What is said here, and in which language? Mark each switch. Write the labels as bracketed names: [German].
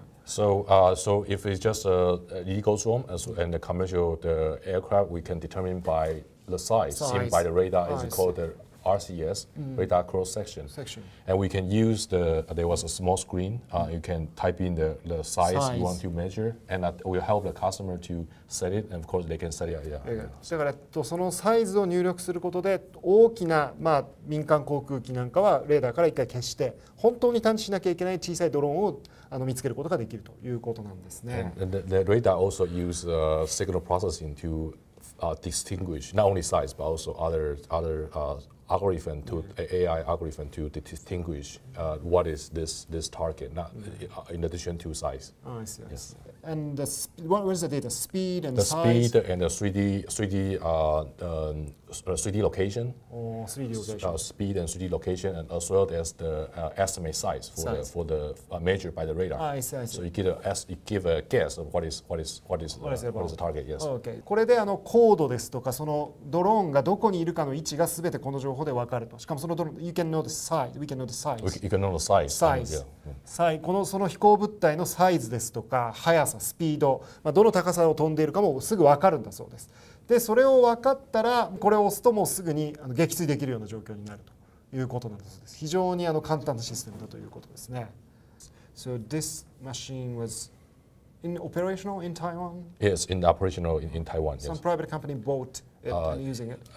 [English] So if it's just an illegal drone and the commercial aircraft, we can determine by the size seen by the radar. It's called the RCS, radar cross section. And we can use there was a small screen. You can type in the size you want to measure, and that will help the customer to set it, and of course they can set it. [Japanese] だからそのサイズを入力することで大きな、まあ、民間航空機なんかはレーダーから一回消して本当に探知しなきゃいけない小さいドローンを見つけることができるということなんですね。 [English] The radar also use signal processing to distinguish not only size but also other algorithm to AI algorithm to distinguish what is this target, not in addition to size. Oh, I see. Yes. And what is the data? Speed and the size? The speed and the 3D location. Oh, 3D location. Speed and 3D location, and as well as the estimate size for the measured by the radar. Ah, I see. So you give a guess of what is the target. Yes. Oh, okay. [Japanese] これで高度ですとかそのドローンがどこにいるかの位置がすべてこの情報で分かると。しかもそのドローン、 [English] you can know the size. We can know the size. You can know the size. Size. Size. [Japanese] このその飛行物体のサイズですとか速さ、スピード、まあどの高さを飛んでいるかもすぐ分かるんだそうです。でそれを分かったらこれを押すともうすぐに撃墜できるような状況になるということなんです。非常に簡単なシステムだということですね。 [English] So this machine was in operational in Taiwan? Yes, in operational in Taiwan. Some private company bought it and using it.